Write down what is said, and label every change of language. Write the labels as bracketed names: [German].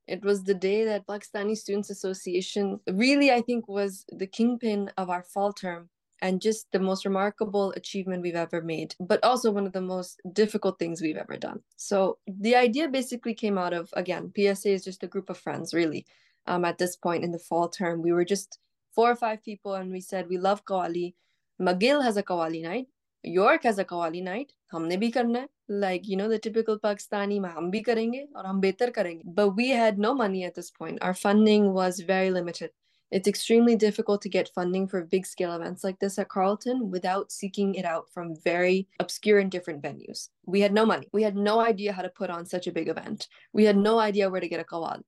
[English] It was the day that Pakistani Students Association really, I think, was the kingpin of our fall term, and just the most remarkable achievement we've ever made, but also one of the most difficult things we've ever done. So the idea basically came out of, again, PSA is just a group of friends, really. At this point in the fall term, we were just four or five people, and we said, we love Qawwali. McGill has a Qawwali night. York has a Qawwali night. [Urdu] ہم نے بھی کرنا, [English] like, you know, the typical Pakistani, [Urdu] ہم بھی کریں گے, اور ہم بہتر کریں گے. [English] But we had no money at this point. Our funding was very limited. It's extremely difficult to get funding for big scale events like this at Carleton without seeking it out from very obscure and different venues. We had no money. We had no idea how to put on such a big event. We had no idea where to get a qawwali.